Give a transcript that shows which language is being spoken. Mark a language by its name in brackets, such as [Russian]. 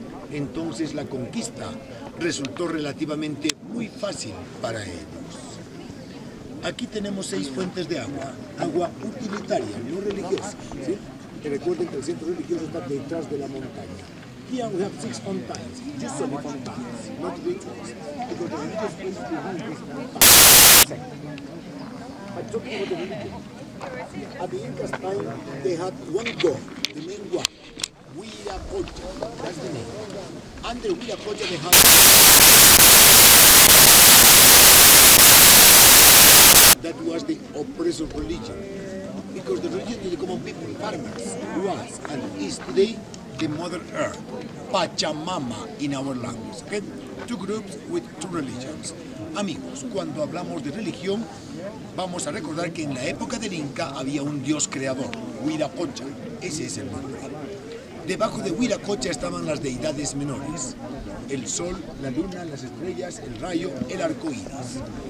[Spanish] Entonces la conquista resultó relativamente muy fácil para ellos. Aquí tenemos 6 fuentes de agua, agua utilitaria, no religiosa, ¿sí? Que recuerden que el centro religioso está detrás de la montaña. [English] Here we have 6 fountains, just so many fountains, not big ones, because the religious place is behind this mountain. I'm talking about the religion. At the Inca's time, they had one god, the main one, Huillacocha, that's the name. Under Huillacocha they had... That was the oppressor religion. Because the religion of the common people, farmers, was and is today the Mother Earth, Pachamama in our language. Okay? Two groups with two religions. [Spanish] Amigos, cuando hablamos de religión, vamos a recordar que en la época del Inca había un dios creador, Huiracocha. Ese es el nombre. Debajo de Huiracocha estaban las deidades menores: el sol, la luna, las estrellas, el rayo, el arco iris.